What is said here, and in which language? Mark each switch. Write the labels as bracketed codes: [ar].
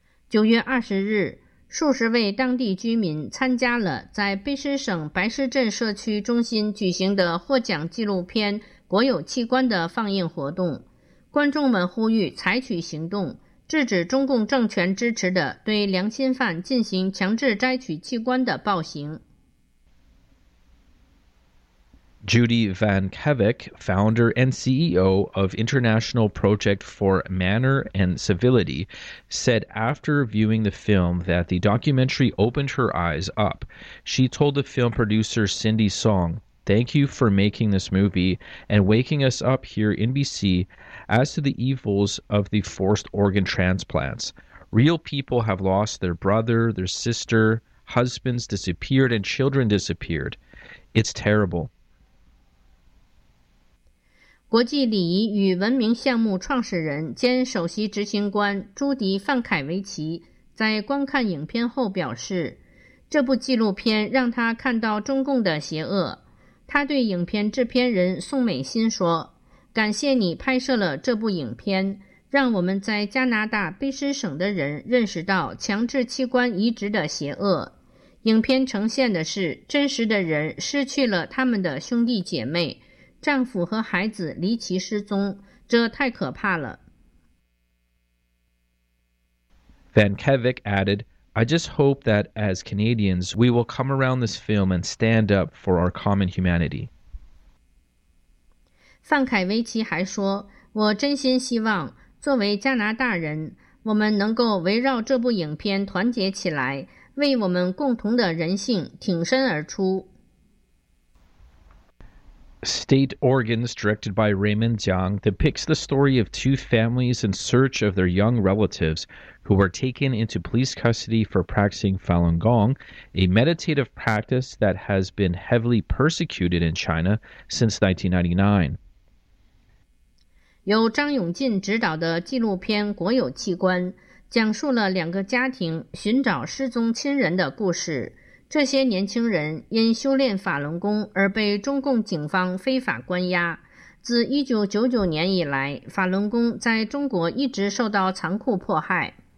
[zh] 9月20日，数十位当地居民参加了在卑诗省白石镇社区中心举行的获奖纪录片《国有器官》的放映活动。观众们呼吁采取行动，制止中共政权支持的对良心犯进行强制摘取器官的暴行。 [en] Judy Van Kevik, founder and CEO of International Project for Manner and Civility, said after viewing the film that the documentary opened her eyes up. She told the film producer Cindy Song, "Thank you for making this movie and waking us up here in BC as to the evils of the forced organ transplants. Real people have lost their brother, their sister, husbands disappeared, and children disappeared. It's terrible." [zh] 国际礼仪与文明项目创始人兼首席执行官朱迪·范凯维奇在观看影片后表示，这部纪录片让他看到中共的邪恶。他对影片制片人宋美欣说，感谢你拍摄了这部影片，让我们在加拿大卑诗省的人认识到强制器官移植的邪恶。影片呈现的是真实的人失去了他们的兄弟姐妹，丈夫和孩子离奇失踪，这太可怕了。 [en] Van Kevik added, "I just hope that as Canadians, we will come around this film and stand up for our common humanity." [zh] 范凯维奇还说，我真心希望作为加拿大人，我们能够围绕这部影片团结起来，为我们共同的人性挺身而出。 [en] State Organs, directed by Raymond Jiang, depicts the story of two families in search of their young relatives who were taken into police custody for practicing Falun Gong, a meditative practice that has been heavily persecuted in China since 1999. [zh] 由张永进执导的纪录片《国有器官》讲述了两个家庭寻找失踪亲人的故事。这些年轻人因修炼法轮功而被中共警方非法关押。自1999年以来，法轮功在中国一直受到残酷迫害。